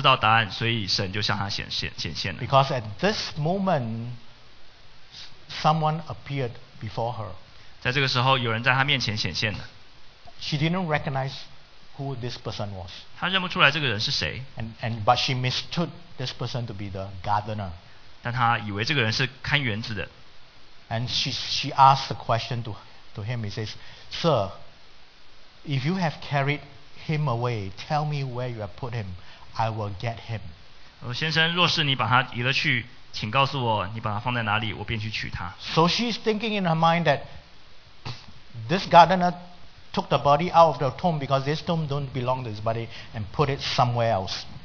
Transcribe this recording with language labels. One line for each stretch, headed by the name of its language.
Chinese: 因为他继续待下来，他想要知道答案，所以神就向他显现了。
English: Because at this moment, someone appeared before her.
Chinese: 在这个时候，有人在他面前显现了。
English: She didn't recognize who this person was.
Chinese: 她认不出来这个人是谁。
English: But she mistook this person to be the gardener.
Chinese: 但她以为这个人是看园子的。
English: And she asked the question to him. He says, "Sir, if you have carried him away, tell me where you have put him. I will get him."
Chinese: 先生，若是你把他移了去，请告诉我你把他放在哪里，我便去取他。
English: So she's thinking in her mind that this gardener took the body out of the tomb because this tomb don't belong to this body and put it somewhere else.